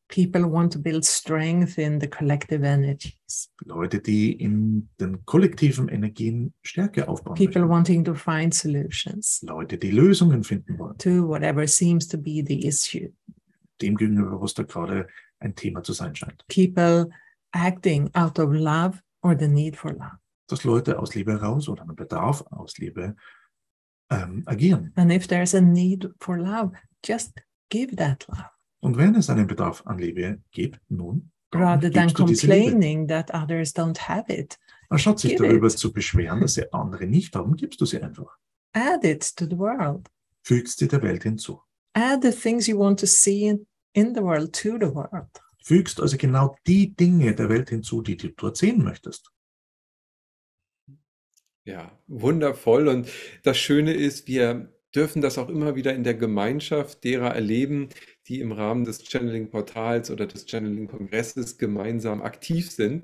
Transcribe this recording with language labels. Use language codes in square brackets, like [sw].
[en] People want to build strength in the collective energies. [de] Leute, die in den kollektiven Energien Stärke aufbauen. [en] People [de] möchten. [en] Wanting to find solutions. [de] Leute, die Lösungen finden wollen. [en] To whatever seems to be the issue. [de] Dem gegenüber, was da gerade ein Thema zu sein scheint. [en] People acting out of love or the need for love. [de] Dass Leute aus Liebe heraus oder einem Bedarf aus Liebe agieren. [en] And if there's a need for love, just give that love. [de] Und wenn es einen Bedarf an Liebe gibt, nun, [en] rather than complaining that others don't have it, [de] anstatt sich darüber zu beschweren, dass sie andere nicht haben, gibst du sie einfach. [en] Add it to the world. [de] Fügst sie der Welt hinzu. [en] Add the things you want to see in the world to the world. [de] Fügst also genau die Dinge der Welt hinzu, die du dort sehen möchtest. Ja, wundervoll. Und das Schöne ist, wir dürfen das auch immer wieder in der Gemeinschaft derer erleben, die im Rahmen des Channeling Portals oder des Channeling Kongresses gemeinsam aktiv sind.